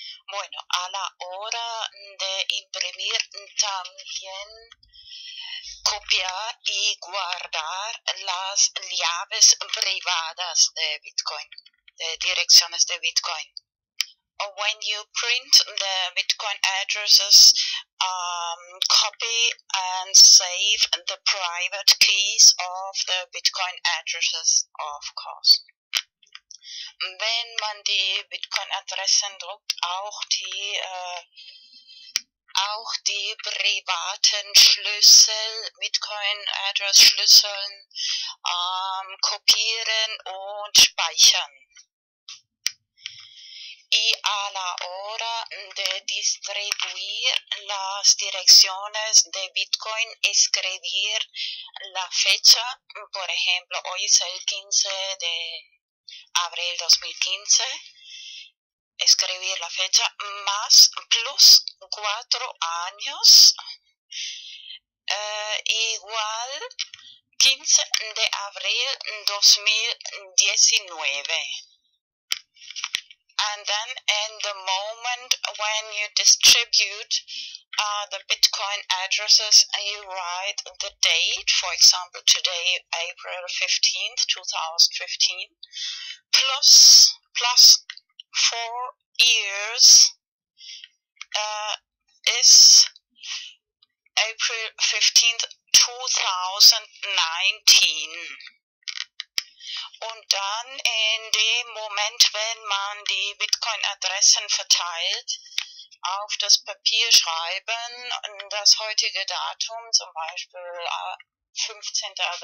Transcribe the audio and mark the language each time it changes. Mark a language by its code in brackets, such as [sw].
[es] Bueno, a la hora de imprimir también, copiar y guardar las llaves privadas de Bitcoin, de direcciones de Bitcoin. [en] When you print the Bitcoin addresses, copy and save the private keys of the Bitcoin addresses, of course. [de] Wenn man die Bitcoin-Adressen druckt, auch die privaten Schlüssel, Bitcoin-Address-Schlüsseln, kopieren und speichern. [es] Y a la hora de distribuir las direcciones de Bitcoin, escribir la fecha, por ejemplo, hoy es el 15 de abril 2015, escribir la fecha más plus 4 años igual 15 de abril 2019. [en] And then in the moment when you distribute the Bitcoin addresses, you write the date, for example, today, April 15th, 2015, plus 4 years is April 15th, 2019. [de] Und dann in dem Moment, wenn man die Bitcoin-Adressen verteilt, auf das Papier schreiben, das heutige Datum, zum Beispiel 15.